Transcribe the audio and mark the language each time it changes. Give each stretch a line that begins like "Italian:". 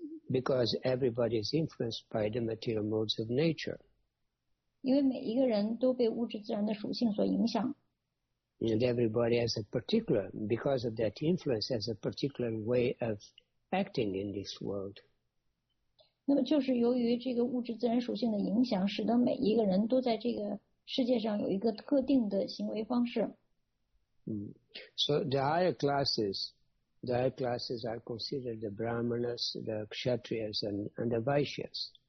English: Because everybody is influenced by the material modes of nature.
Chinese: 因为每一个人都被物质自然的属性所影响。
English: And everybody has a particular, because of that influence, has a particular way of acting in this world.
Chinese: 那么就是由于这个物质自然属性的影响，使得每一个人都在这个世界上有一个特定的行为方式。
English: So the higher classes are considered the Brahmanas, the Kshatriyas, and the Vaishyas.